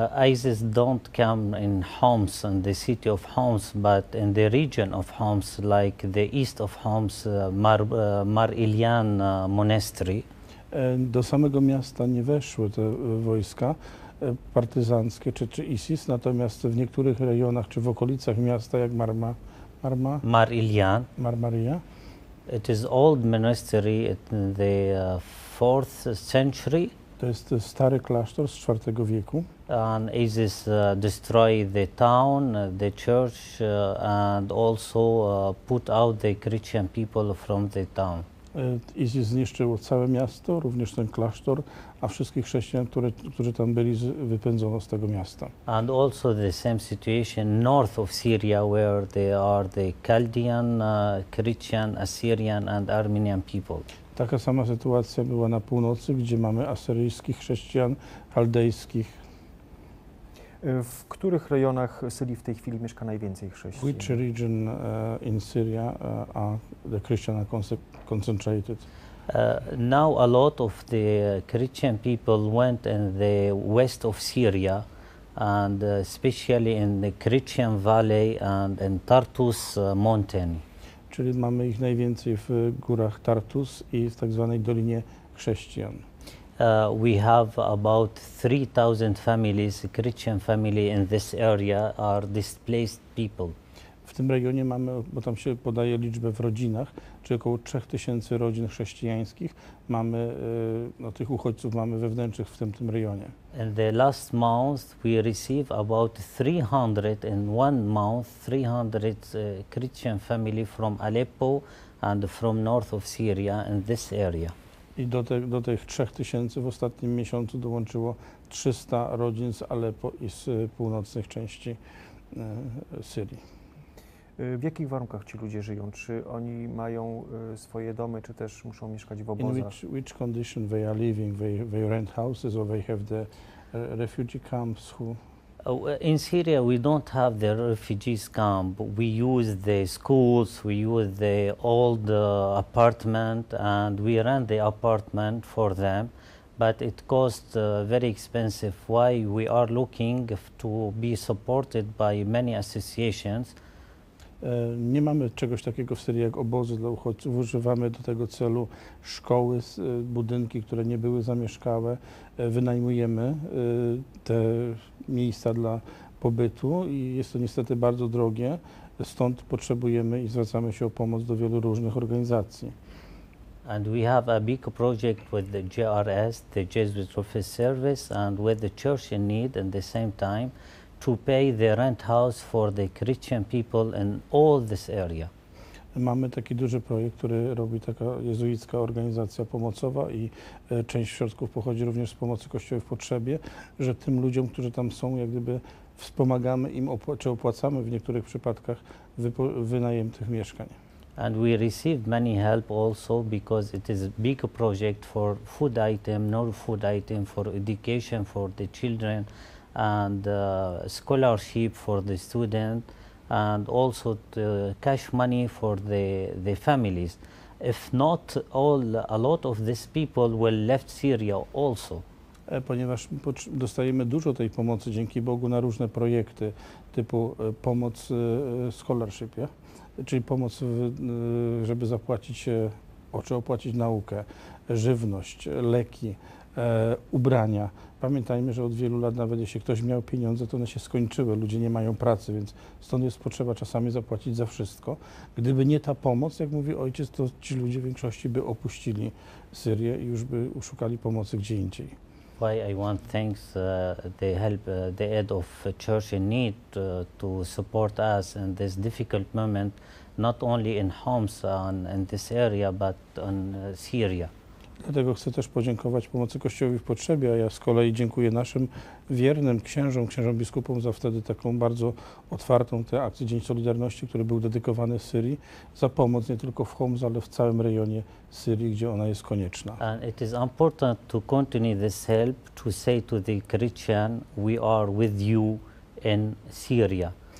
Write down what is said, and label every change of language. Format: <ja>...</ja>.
<en>ISIS don't come in Homs, in the city of Homs, but in the region of Homs, like the east of Homs, Mar Ilyan Monastery.</en> <pl>Do samego miasta nie weszły te wojska partyzanckie czy ISIS, natomiast w niektórych rejonach czy w okolicach miasta, jak Mar Ilyan. Mar Maria.</pl> <en>It is old monastery in the 4th century.</en> <pl>To jest stary klasztor z IV wieku.</pl> <en>And ISIS destroyed the town, the church, and also put out the Christian people from the town.</en> <pl>ISIS zniszczyło całe miasto, również ten klasztor, a wszystkich chrześcijan, którzy tam byli, wypędzono z tego miasta.</pl> <en>And also the same situation north of Syria, where there are the Chaldean, Christian, Assyrian, and Armenian people.</en> <pl>Taka sama sytuacja była na północy, gdzie mamy asyryjskich chrześcijan, chaldejskich. W których rejonach Syrii w tej chwili mieszka najwięcej chrześcijan?</pl> <en>Which region in Syria are the Christian concentrated? Now a lot of the Christian people went in the west of Syria, and especially in the Christian Valley and in Tartus Mountain.</en> <pl>Czyli mamy ich najwięcej w górach Tartus i w tak zwanej Dolinie Chrześcijan.</pl> <en>We have about 3,000 families, Christian family in this area are displaced people.</en> <pl>W tym regionie mamy, bo tam się podaje liczbę w rodzinach, czyli około 3000 rodzin chrześcijańskich mamy, no, tych uchodźców mamy wewnętrznych w tym regionie.</pl> <en>In the last month we received about 300 in one month, 300 Christian family from Aleppo and from north of Syria in this area.</en> <pl>I do tych 3000 w ostatnim miesiącu dołączyło 300 rodzin z Aleppo i z północnych części Syrii. W jakich warunkach ci ludzie żyją? Czy oni mają swoje domy, czy też muszą mieszkać w obozach?</pl> <en>In which condition they are living? They rent houses or they have the refugee camps? Who? In Syria we don't have the refugees camp. We use the schools, we use the old apartment and we rent the apartment for them. But it costs very expensive. Why we are looking to be supported by many associations.</en> <pl>Nie mamy czegoś takiego w Syrii jak obozy dla uchodźców. Używamy do tego celu szkoły, budynki, które nie były zamieszkałe. Wynajmujemy te miejsca dla pobytu i jest to niestety bardzo drogie. Stąd potrzebujemy i zwracamy się o pomoc do wielu różnych organizacji.</pl> <en>And we have a big project with the JRS, the Jesuit Refugee Service, and with the church in need at the same time. To pay the rent house for the Christian people in all this area.</en> <pl>Mamy taki duży projekt, który robi taka jezuicka organizacja pomocowa i część środków pochodzi również z pomocy Kościoła w potrzebie, że tym ludziom, którzy tam są, jak gdyby wspomagamy im, czy opłacamy w niektórych przypadkach wynajem tych mieszkań.</pl> <en>And we received many help also because it is a big project for food item, non-food item, for education, for the children. And scholarship for the student, and also the cash money for the families. If not all, a lot of these people will left Syria also.</en> <pl>Ponieważ dostajemy dużo tej pomocy, dzięki Bogu, na różne projekty typu pomoc</pl> <en>scholarship, yeah?</en> <pl>Czyli pomoc, żeby zapłacić, czy opłacić naukę, żywność, leki, ubrania. Pamiętajmy, że od wielu lat, nawet jeśli ktoś miał pieniądze, to one się skończyły. Ludzie nie mają pracy, więc stąd jest potrzeba czasami zapłacić za wszystko. Gdyby nie ta pomoc, jak mówi ojciec, to ci ludzie w większości by opuścili Syrię i już by uszukali pomocy gdzie indziej.</pl> <en>Why I want thanks the help, the aid of church in need to support us in this difficult moment, not only in homes in this area, but in Syria.</en> <pl>Dlatego chcę też podziękować pomocy Kościołowi w potrzebie, a ja z kolei dziękuję naszym wiernym księżom, księżom biskupom za wtedy taką bardzo otwartą tę akcję Dzień Solidarności, który był dedykowany Syrii, za pomoc nie tylko w Homs, ale w całym rejonie Syrii, gdzie ona jest konieczna.</pl> <en>And it is important to continue this help to say to the Christian, we are with you in Syria.</en>